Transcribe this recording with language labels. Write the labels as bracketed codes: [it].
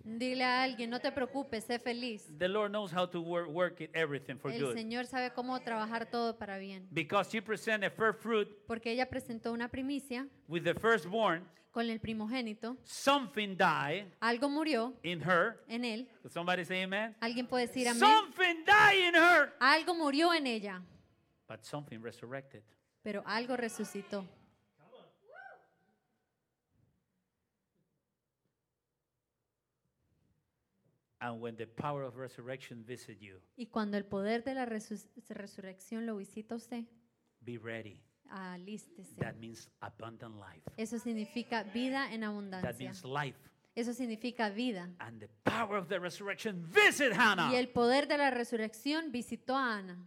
[es] Dile a alguien, no te preocupes, sé feliz. [en] The Lord knows how to work it, everything for [es] El [en] good. [es] El Señor sabe cómo trabajar todo para bien. [en] Because she presented first fruit. [es] Porque ella presentó una primicia. [en] With the firstborn. [es] Con el primogénito. [en] Something died. [es] Algo murió. [en] In her. [es] En él. [en] Can somebody say amen? [es] Alguien puede decir amén. [en] Something died in her. [es] Algo murió en ella. [en] But something resurrected. [es] Pero algo resucitó. [en] And when the power of resurrection visits you. [es] Y cuando el poder de la resurrección lo visita usted. [en] Be ready. [es] Alístese. [en] That means abundant life. [es] Eso significa vida en abundancia. [en] That means life. [es] Eso significa vida. [en] And the power of the resurrection visited Hannah. [es] Y el poder de la resurrección visitó a Ana.